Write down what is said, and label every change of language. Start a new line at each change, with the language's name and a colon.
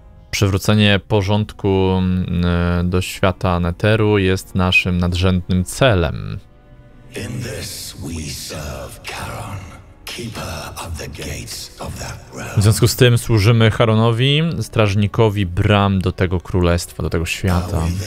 Polish: Przywrócenie porządku do świata Netheru jest naszym nadrzędnym celem.
English: In this we serve Charon, keeper of the gates of that realm.
Polish: W związku z tym służymy Charonowi, strażnikowi bram do tego królestwa, do tego świata.